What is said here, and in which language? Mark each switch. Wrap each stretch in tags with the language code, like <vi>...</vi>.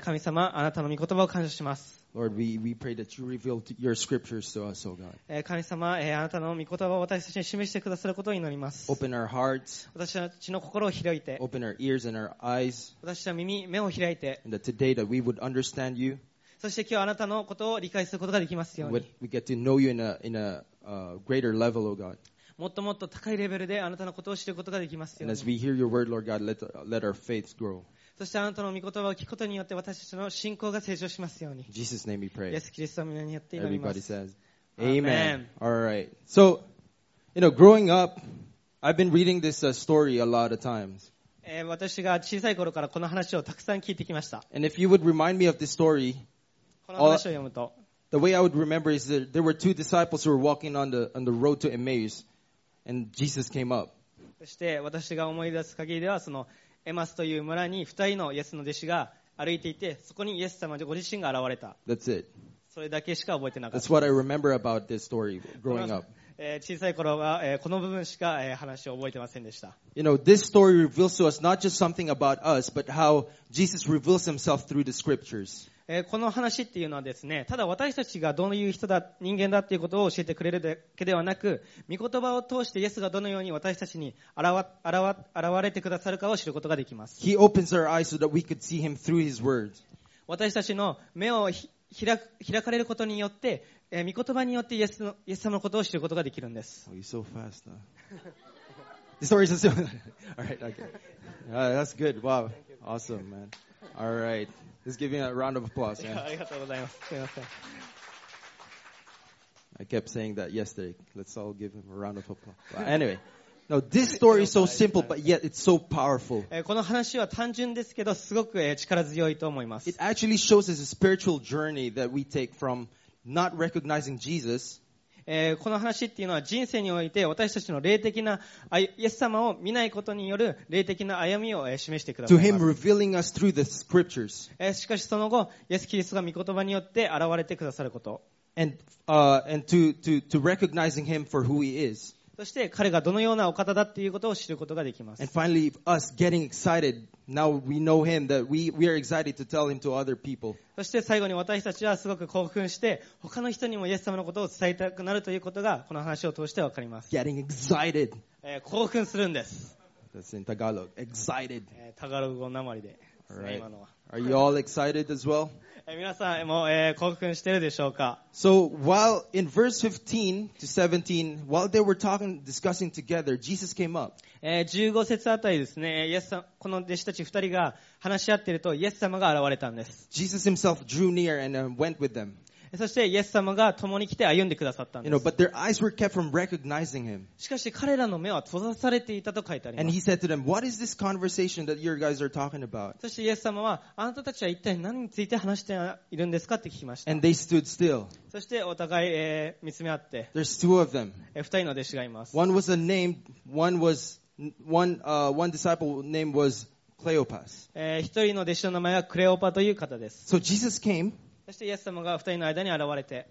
<ja>神様、あなたの御言葉を感謝します。</ja> <en>Lord, we pray that you reveal your scriptures to us, O God.</en> <ja>神様、あなたの御言葉を私たちに示してくださることを祈ります。</ja> <en>Open our hearts.</en> <ja>私たちの心を開いて。</ja> <en>Open our ears and our eyes.</en> <ja>私たちの耳、目を開いて。</ja> <en>And that today that we would understand you.</en> <ja>そして今日あなたのことを理解することができますように。</ja> <en>We get to know you in a greater level, O God.</en> <ja>もっともっと高いレベルであなたのことを知ることができますように。</ja> <en>And as we hear your word, Lord God, let our faith grow.</en> <ja>そしてあなたの御言葉を聞くことによって私たちの信仰が成長しますように。</ja> <en>Jesus' name we pray.</en> <ja>イエス・キリストの名によって祈ります。</ja> <en>Everybody says, Amen. All right. So, you know, growing up, I've been reading this story a lot of times.</en> <ja>私が小さい頃からこの話をたくさん聞いてきました。</ja> <en>And if you would remind me of this story,</en> <ja>この話を読むと、</ja> <en>the way I would remember is that there were two disciples who were walking on the road to Emmaus. And Jesus came up.</en> <ja>そして私が思い出す限りではそのエマスという村に2人のイエスの弟子が歩いていてそこにイエス様ご自身が現れた。</ja> <en>That's it.</en> <ja>それだけしか覚えてなかった。</ja> <en>That's what I remember about this story growing up.</en> <ja>小さい頃はこの部分しか話を覚えてませんでした。</ja> <en>You know, this story reveals to us not just something about us, but how Jesus reveals himself through the scriptures.</en> <ja>この話っていうのはですね、ただ私たちがどういう人間だっていうことを教えてくれるだけではなく、御言葉を通してイエスがどのように私たちに現れてくださるかを知ることができます。</ja> <en>He opens our eyes so that we could see him through his word.</en> <ja>私たちの目を開かれることによって、御言葉によってイエス様のことを知ることができるんです。</ja> <en>Oh, you're so fast, huh? The story is so... Alright, okay. That's good. Wow. Awesome, man. Alright. Let's give you a round of applause. Yeah,</en> <ja>ありがとうございます。すみません。</ja> <en>I kept saying that yesterday. Let's all give him a round of applause. But anyway, no, this story is so simple, but yet it's so powerful.</en> <ja>この話は単純ですけど、すごく力強いと思います。</ja> <en>It actually shows us a spiritual journey that we take from not recognizing Jesus.</en> <ja>この話っていうのは人生において私たちの霊的なイエス様を見ないことによる霊的な歩みを示してくださいます。</ja> <en>To him revealing us through the scriptures.</en> <ja>しかしその後、イエス・キリストが御言葉によって現れてくださること。</ja> <en>And to recognizing him for who he is.</en> <ja>そして彼がどのようなお方だっていうことを知ることができます。</ja> <en>And finally, us getting excited. Now we know him that we are excited to tell him to other people.</en> <ja>そして最後に私たちはすごく興奮して他の人にもイエス様のことを伝えたくなるということがこの話を通してわかります。</ja> <en>Getting excited.</en> <ja>興奮するんです。</ja> <en>That's in Tagalog. Excited.</en> <ja>タガログ語なまりで。</ja> <en>Right.</en> <ja>今のは。</ja> <en>Are you all excited as well?</en> <ja>皆さんも興奮してるでしょうか。</ja> <en>So while in verse 15 to 17, while they were talking, discussing together, Jesus came up.</en> <ja>15節あたりですね、イエス様、この弟子たち2人が話し合っているとイエス様が現れたんです。</ja> <en>Jesus himself drew near and went with them.</en> <ja>そしてイエス様が共に来て歩んでくださったんです。</ja> <en>You know, but their eyes were kept from recognizing him.</en> <ja>しかし彼らの目は閉ざされていたと書いてあります。</ja> <en>And he said to them, "What is this conversation that you guys are talking about?"</en> <ja>そしてイエス様はあなたたちは一体何について話しているんですかって聞きました。</ja> <en>And they stood still.</en> <ja>そしてお互い見つめ合って。</ja> <en>There's two of them.</en> <ja>二人の弟子がいます。</ja> <en>One was a name. One disciple name was Cleopas.</en> <ja>一人の弟子の名前はクレオパという方です。</ja> <en>So Jesus came.</en> <ja>そしてイエス様が二人の間に現れて、</ja>